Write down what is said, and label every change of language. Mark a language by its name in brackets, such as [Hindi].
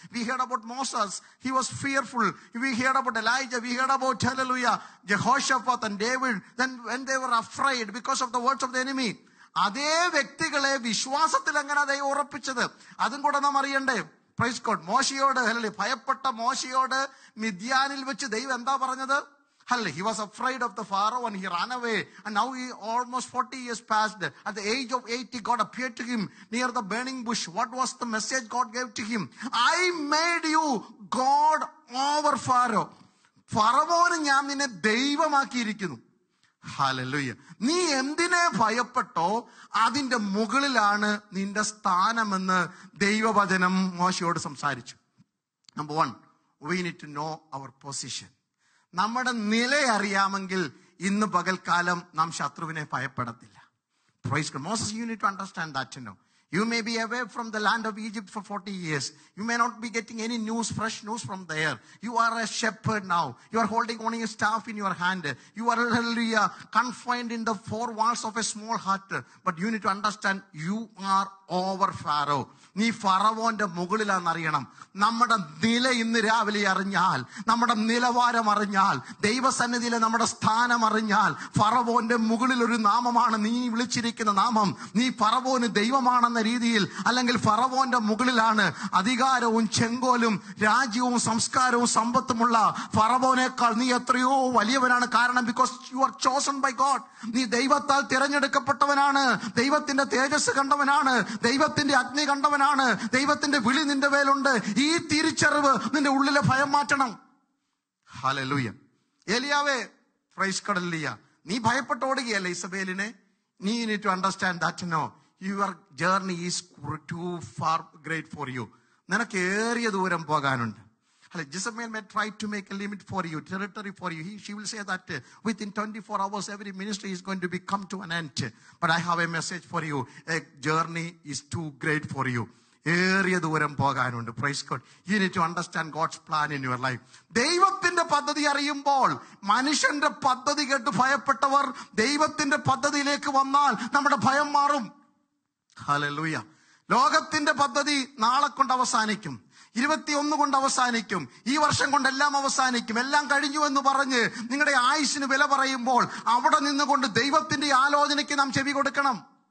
[English] We heard about Moses, he was fearful. We heard about Elijah, we heard about hallelujah Jehoshaphat and David, then when they were afraid because of the words of the enemy. [Malayalam] അതേ വ്യക്തികളെ വിശ്വാസത്തിൽ എങ്ങനെ ദൈവം ഉറപ്പിച്ചത് അതും കൂടെ നാം അറിയണ്ടേ. [English] Praise God. [Malayalam] മോശയോട്, ഹല്ലേലൂയ, ഭയപ്പെട്ട മോശയോട് മിദ്യാനിൽ വെച്ച് ദൈവം എന്താ പറഞ്ഞത്? [English] Hallelujah. He was afraid of the Pharaoh and he ran away. And now he almost 40 years passed. At the age of 80, God appeared to him near the burning bush. What was the message God gave to him? I made you God over Pharaoh. Pharaoh, I am a devamakirikinu. Hallelujah. [Malayalam] നീ എന്തിനെ ഭയപ്പെട്ടോ അതിന്റെ മുകളിലാണ് നിന്റെ സ്ഥാനമെന്ന് ദൈവവചനം മോശയോട് സംസാരിച്ചു. [English] Number one, we need to know our position. [Malayalam] നമ്മുടെ നില അറിയാമെങ്കിൽ ഇന്ന് പകൽക്കാലം നാം ശത്രുവിനെ ഭയപ്പെടത്തില്ല. [English] Praise God. Moses, you need to understand that no You may be away from the land of Egypt for 40 years. You may not be getting any news, fresh news from there. You are a shepherd now. You are holding only a staff in your hand. You are hallelujah, confined in the four walls of a small hut. But you need to understand, you are over Pharaoh. [Malayalam] നീ ഫറവോന്റെ മുകളിലാന്ന് അറിയണം. നമ്മുടെ നില ഇന്ന് രാവിലെ അറിഞ്ഞാൽ, നമ്മുടെ നിലവാരം അറിഞ്ഞാൽ, ദൈവസന്നിധിയിലെ നമ്മുടെ സ്ഥാനം അറിഞ്ഞാൽ, ഫറവോന്റെ മുകളിൽ ഒരു നാമമാണ് നീ വിളിച്ചിരിക്കുന്ന നാമം. നീ ഫറവോന് ദൈവമാണെന്ന രീതിയിൽ, അല്ലെങ്കിൽ ഫറവോന്റെ മുകളിലാണ് അധികാരവും ചെങ്കോലും രാജ്യവും സംസ്കാരവും സമ്പത്തുമുള്ള. ഫറവോനേക്കാൾ നീ എത്രയോ വലിയവനാണ്. കാരണം [English] Because you are chosen by God. [Malayalam] നീ ദൈവത്താൽ തിരഞ്ഞെടുക്കപ്പെട്ടവനാണ്. ദൈവത്തിന്റെ തേജസ് കണ്ടവനാണ്. ദൈവത്തിന്റെ അഗ്നി കണ്ടവനാണ്. ദൈവത്തിന്റെ വിളി നിന്റെ മേലുണ്ട്. ഈ തിരിച്ചറിവ് നിന്റെ ഉള്ളിലെ ഭയം മാറ്റണം. ഹല്ലേലൂയ. ഏലിയാവേ, [English] praise God, [Malayalam] നീ ഭയപ്പെട്ട് ഓടുകയല്ല ഇസബേലിനെ. [English] നീ you need to understand that no, your journey is too far great for you. [Malayalam] നിനക്ക് ഏറിയ ദൂരം പോകാനുണ്ട്. [English] Hello, Jezebel may try to make a limit for you, territory for you. She will say that within 24 hours, every ministry is going to be come to an end. But I have a message for you. A journey is too great for you. [Malayalam] ഏറിയ ദൂരം പോകാനുണ്ട്. [English] Praise God. You need to understand God's plan in your life. [Malayalam] ദൈവത്തിന്റെ പദ്ധതി അറിയുമ്പോൾ, മനുഷ്യന്റെ പദ്ധതി കേട്ട് ഭയപ്പെട്ടവർ ദൈവത്തിന്റെ പദ്ധതിയിലേക്ക് വന്നാൽ നമ്മുടെ ഭയം മാറും. ഹല്ലേലൂയ. ലോകത്തിന്റെ പദ്ധതി നാളെ കൊണ്ട് അവസാനിക്കും, 21 കൊണ്ട് അവസാനിക്കും, ഈ വർഷം കൊണ്ടെല്ലാം അവസാനിക്കും, എല്ലാം കഴിഞ്ഞു എന്ന് പറഞ്ഞ് നിങ്ങളുടെ ആയുസ്സിന് വില പറയുമ്പോൾ, അവിടെ നിന്നുകൊണ്ട് ദൈവത്തിന്റെ ആലോചനയ്ക്ക് നാം ചെവി കൊടുക്കണം.